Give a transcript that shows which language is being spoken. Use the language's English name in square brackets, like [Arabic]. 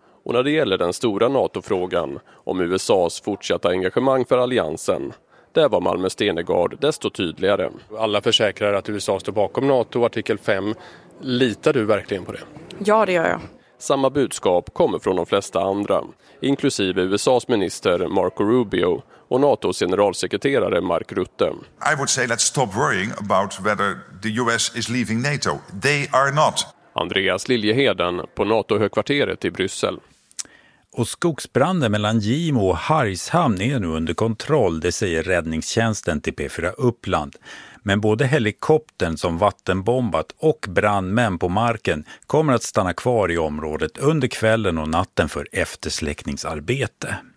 [Swedish] Och när det gäller den stora NATO-frågan om USAs fortsatta engagemang för alliansen, där var Malmer Stenegard desto tydligare. Alla försäkrar att USA står bakom NATO, artikel 5. Litar du verkligen på det? Ja, det gör jag. Samma budskap kommer från de flesta andra, inklusive USAs minister Marco Rubio och NATOs generalsekreterare Mark Rutte. [English] I would say let's stop worrying about whether the US is leaving NATO. They are not. [Swedish] Andreas Liljeheden på NATO-högkvarteret i Bryssel. Och skogsbranden mellan Gimo och Hargshamn är nu under kontroll, det säger räddningstjänsten till P4 Uppland. Men både helikoptern som vattenbombat och brandmän på marken kommer att stanna kvar i området under kvällen och natten för eftersläckningsarbete.